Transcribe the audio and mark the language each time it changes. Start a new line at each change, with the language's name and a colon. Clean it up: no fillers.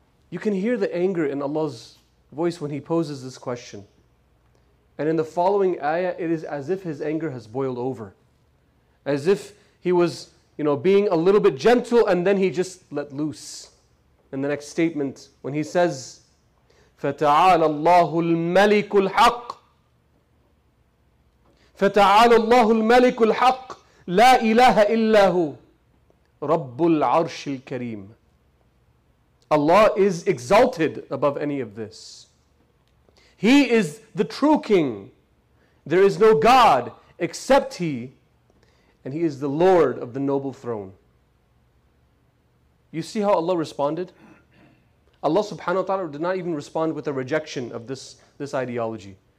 English: You can hear the anger in Allah's voice when He poses this question. And in the following ayah, it is as if His anger has boiled over. As if He was, you know, being a little bit gentle, and then He just let loose. In the next statement, when He says,
Arabic: فَتَعَالَ اللَّهُ الْمَلِكُ الْحَقِّ فَتَعَالَ اللَّهُ الْمَلِكُ الْحَقِّ لَا إِلَهَ إِلَّا هُ رَبُّ الْعَرْشِ الْكَرِيمِ.
English: Allah is exalted above any of this. He is the true King. There is no God except He. And He is the Lord of the noble throne. You see how Allah responded? Allah subhanahu wa ta'ala did not even respond with a rejection of this ideology.